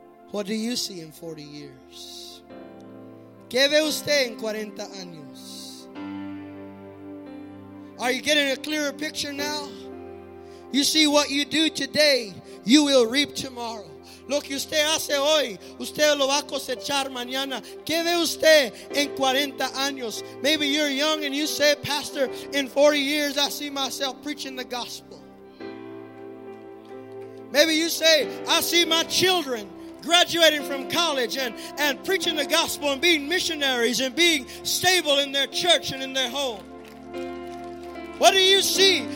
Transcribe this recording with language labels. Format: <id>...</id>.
<en>What do you see in 40 years?</en> <es>¿Qué ve usted en 40 años?</es> <en>Are you getting a clearer picture now? You see, what you do today, you will reap tomorrow.</en> <es>Lo que usted hace hoy, usted lo va a cosechar mañana. ¿Qué ve usted en 40 años?</es> <en>Maybe you're young and you say, Pastor, in 40 years I see myself preaching the gospel. Maybe you say, I see my children graduating from college and preaching the gospel and being missionaries and being stable in their church and in their home. What do you see?</en>